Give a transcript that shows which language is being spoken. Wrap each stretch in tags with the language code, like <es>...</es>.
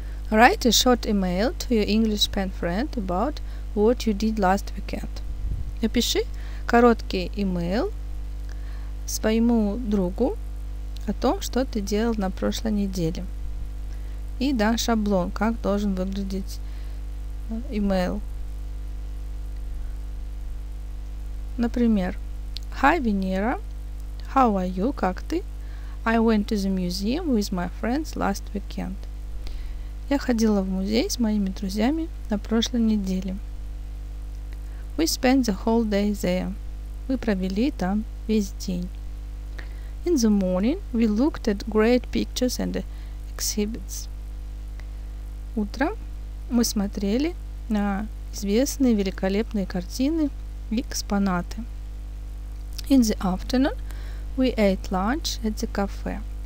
<en>Write a short email to your English pen friend about what you did last weekend.</en> <ru>Напиши короткий email своему другу о том, что ты делал на прошлой неделе. И дан шаблон, как должен выглядеть email. Например,</ru> <en>Hi, Venera. How are you?</en> <ru>Как ты?</ru> <en>I went to the museum with my friends last weekend.</en> <ru>Я ходила в музей с моими друзьями на прошлой неделе.</ru> <en>We spent the whole day there.</en> <ru>Мы провели там весь день.</ru> <en>In the morning we looked at great pictures and exhibits.</en> <ru>Утром мы смотрели на известные великолепные картины и экспонаты.</ru> <en>In the afternoon we ate lunch at the cafe.</en>